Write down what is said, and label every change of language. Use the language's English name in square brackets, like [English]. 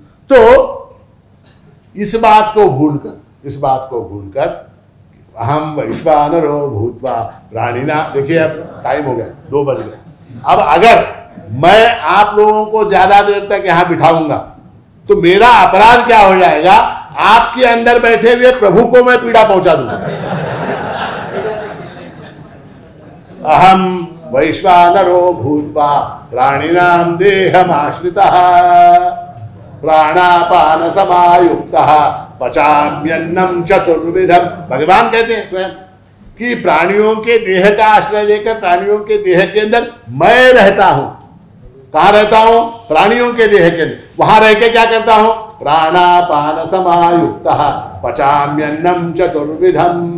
[Hindi] तो इस बात को भूलकर, इस बात को भूलकर [Sanskrit] अहम वैश्वानर भूतवा प्राणिना, [Hindi] देखिए अब टाइम हो गया, दो बज गए, अब अगर मैं आप लोगों को ज्यादा देर तक यहां बिठाऊंगा तो मेरा अपराध क्या हो जाएगा, आपके अंदर बैठे हुए प्रभु को मैं पीड़ा पहुंचा दूंगा। अहम व [Sanskrit] वैश्वानरो भूत्वा प्राणिनां देहमाश्रितः प्राणापान समायुक्तः पचाम्यन्नं चतुर्विधं। [Hindi] भगवान कहते हैं स्वयं कि प्राणियों के देह का आश्रय लेकर प्राणियों के देह के अंदर मैं रहता हूं। कहां रहता हूं? प्राणियों के देह के अंदर। वहां रहकर क्या करता हूं? [Sanskrit] प्राणापान समायुक्तः पचाम्यन्नं चतुर्विधं।